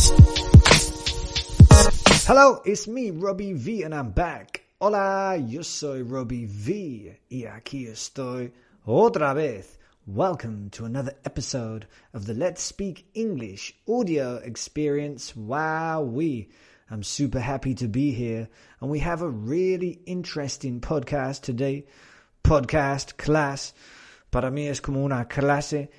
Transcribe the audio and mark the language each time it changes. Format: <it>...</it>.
<en>Hello, it's me, Robbie V, and I'm back.</en> <es>Hola, yo soy Robbie V, y aquí estoy otra vez.</es> <en>Welcome to another episode of the Let's Speak English audio experience. Wowee, I'm super happy to be here, and we have a really interesting podcast today.</en> <es>Podcast, class, para mí es como una clase.</es>